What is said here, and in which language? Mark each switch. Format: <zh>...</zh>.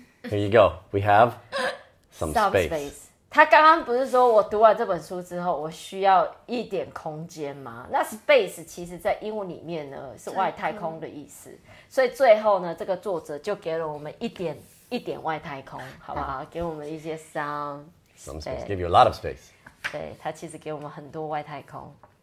<en>Here you go. We have some space. Space.</en> <zh>他刚刚不是说我读完这本书之后，我需要一点空间吗？那 space 其实在英文里面呢是外太空的意思。所以最后呢，这个作者就给了我们一点一点外太空，好不好？给我们一些</zh> <en>some space, give you a lot of space.</en> <zh>对，他其实给我们很多外太空。</zh>